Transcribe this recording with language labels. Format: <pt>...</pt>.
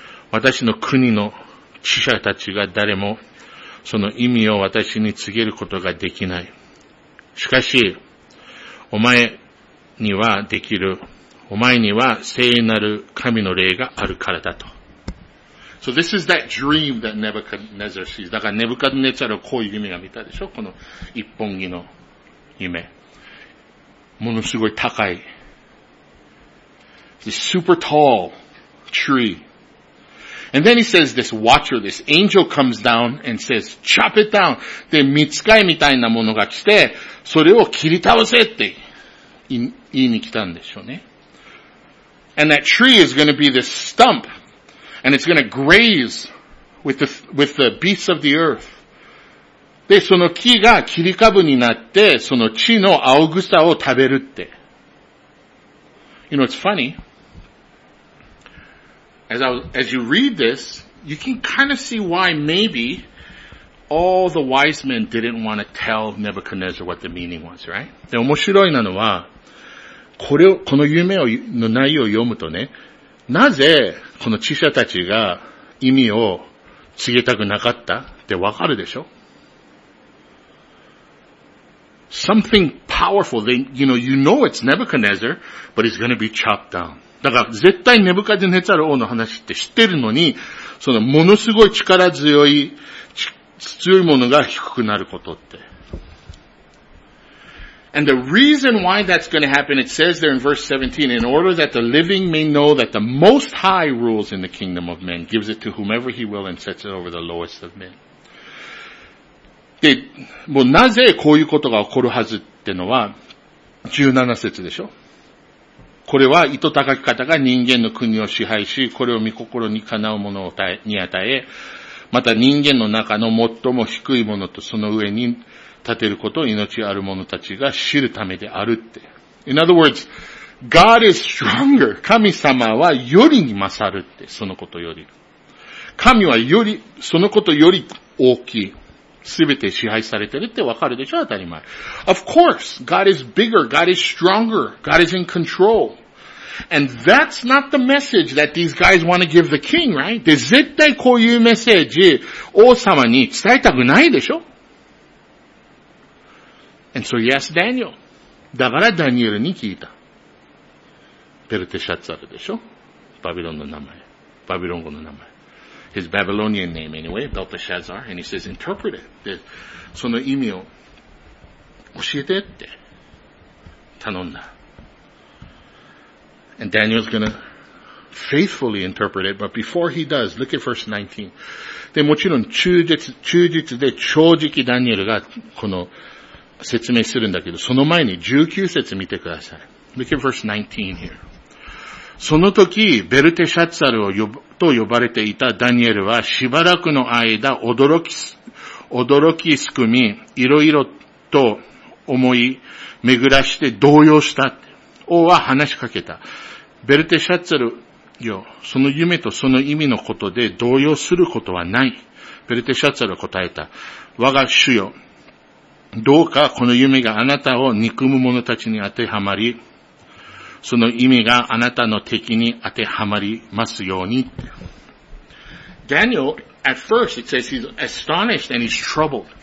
<ja>私の国の知者たちが誰もその意味を私に告げることができない。しかし、お前にはできる。お前には聖なる神の霊があるからだと。</ja> <en>So this is that dream that Nebuchadnezzar sees.</en> <ja>だからネブカドネツァルはこういう夢が見たでしょ？この一本木の夢。ものすごい高い。</ja> <en>This super tall tree. And then he says this watcher, this angel comes down and says, chop it down.</en> <ja>で、ミツカイみたいなものが来て、それを切り倒せって言いに来たんでしょうね。</ja> <en>And that tree is going to be this stump. And it's going to graze with the beasts of the earth.</en> <ja>で、その木が切り株になって、その地の青草を食べるって。</ja> <en>You know, it's funny. As you read this, you can kind of see why maybe all the wise men didn't want to tell Nebuchadnezzar what the meaning was, right?</en> <ja>で、面白いなのは、この夢を、の内容を読むとね、なぜこの知者たちが意味を告げたくなかったってわかるでしょ?</ja> <en>Something powerful, they, you know it's Nebuchadnezzar, but he's going to be chopped down.</en> <ja>だから絶対ネブカデネツァル王の話って知ってるのに、そのものすごい力強い、強いものが低くなることって。</ja> <en>And the reason why that's going to happen, it says there in verse 17, in order that the living may know that the Most High rules in the kingdom of men, gives it to whomever he will and sets it over the lowest of men.</en> <ja>で、もうなぜこういうことが起こるはずってのは、17節でしょ。これは糸高き方が人間の国を支配し、これを御心にかなうものに与え、また人間の中の最も低いものとその上に立てることを命ある者たちが知るためであるって。</ja> <en>In other words, God is stronger.</en> <ja>神様はよりに勝るって、そのことより。神はより、そのことより大きい。すべて支配されてるってわかるでしょ当たり前。</ja> <en>Of course, God is bigger, God is stronger, God is in control. And that's not the message that these guys want to give the king, right?</en> <ja>で、絶対こういうメッセージ、王様に伝えたくないでしょ</ja> <en>And so he asked Daniel.</en> <ja>だからダニエルに聞いた。ペルテシャツァルでしょバビロンの名前。バビロン語の名前。</ja> <en>His Babylonian name anyway, Belteshazzar, and he says, interpret it.</en> <ja>で、その意味を教えてって頼んだ。</ja> <en>And Daniel's gonna faithfully interpret it, but before he does, look at verse 19.</en> <ja>で、もちろん忠実で正直ダニエルがこの説明するんだけど、その前に19節見てください。</ja> <en>Look at verse 19 here.</en> <ja>その時、ベルテシャツァルをと呼ばれていたダニエルはしばらくの間驚きすくみ、いろいろと思い巡らして動揺した。王は話しかけた。ベルテシャツァルよ、その夢とその意味のことで動揺することはない。ベルテシャツァルは答えた。我が主よ、どうかこの夢があなたを憎む者たちに当てはまり、その意味があなたの敵に当てはまりますように。</ja> <en>Daniel, at first, it says he's astonished and he's troubled.</en>